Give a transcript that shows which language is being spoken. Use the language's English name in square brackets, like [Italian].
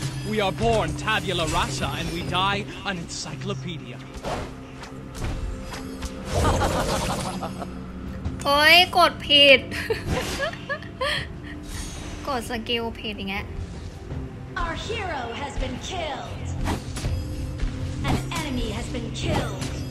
[English] We are born tabula rasa and we die an encyclopedia [Thai] โอ้ยกดผิดกดสกิลผิดอย่างเงี้ย [English] Our hero has been killedAn enemy has been killed.